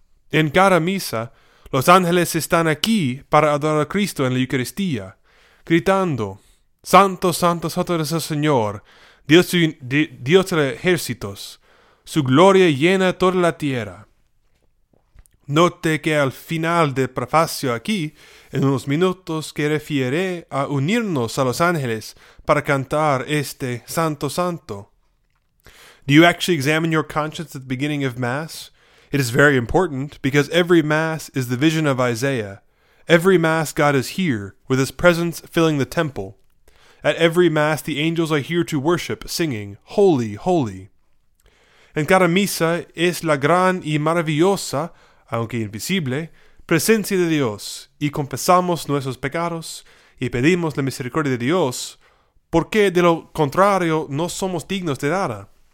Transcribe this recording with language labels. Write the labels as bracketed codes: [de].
[es] En cada misa, los ángeles están aquí para adorar a Cristo en la Eucaristía, gritando, «Santo, santo, santo es el Señor, Dios de los ejércitos, su gloria llena toda la tierra». Note que al final del prefacio aquí, en unos minutos, que refiere a unirnos a los ángeles para cantar este Santo Santo. [en] Do you actually examine your conscience at the beginning of Mass? It is very important because every Mass is the vision of Isaiah. Every Mass God is here, with his presence filling the temple. At every Mass the angels are here to worship, singing, Holy, Holy. [es] En cada misa es la gran y maravillosa, aunque invisible, presencia de Dios, y confesamos nuestros pecados, y pedimos la misericordia de Dios, porque de lo contrario no somos dignos de nada.